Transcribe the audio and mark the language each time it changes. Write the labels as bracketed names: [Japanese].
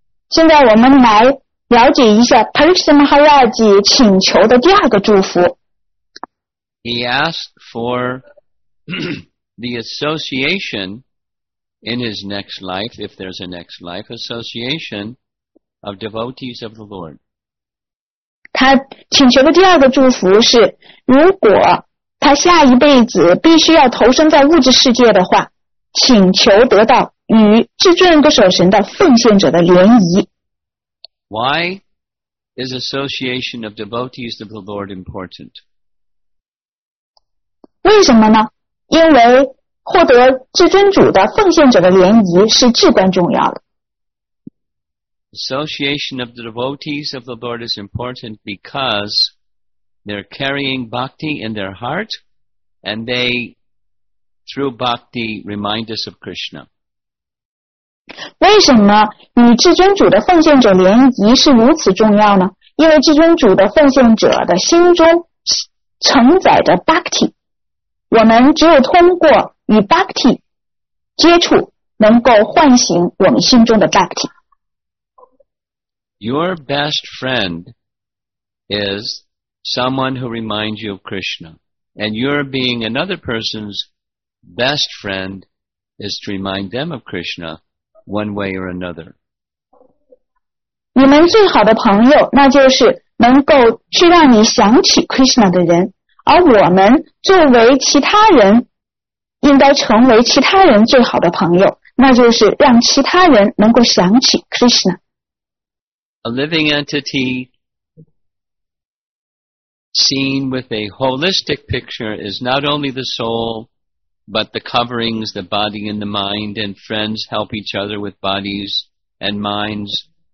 [Chinese] 现在我们来了解一下 Pariksit Maharaj 请求的第二个祝福。 [English] He asked for. The association in his next life, if there's a next life, association of devotees of the Lord. [Chinese] 他请求的第二个祝福是，如果他下一辈子必须要投身在物质世界的话，请求得到与至尊人格守神的奉献者的联谊。 [English] Why is association of devotees of the Lord important? [Chinese] 为什么呢？因为获得至尊主的奉献者的联谊是至关重要的。 [English] Association of the devotees of the Lord is important because they're carrying bhakti in their heart and they, through bhakti, remind us of Krishna. [Chinese] 为什么与至尊主的奉献者联谊是如此重要呢？因为至尊主的奉献者的心中承载着 bhakti。我们只有通过与 Bhakti 接触，能够唤醒我们心中的 Bhakti。 [English] Your best friend is someone who reminds you of Krishna, and you're being another person's best friend is to remind them of Krishna one way or another. [Chinese] 你们最好的朋友，那就是能够去让你想起 Krishna 的人。而我们作为其他人，应该成为其他人最好的朋友，那就是让其他人能够想起 Krishna。 [English] A living entity seen with a holistic picture is not only the soul, but the coverings, the body and the mind, and friends help each other with bodies and minds.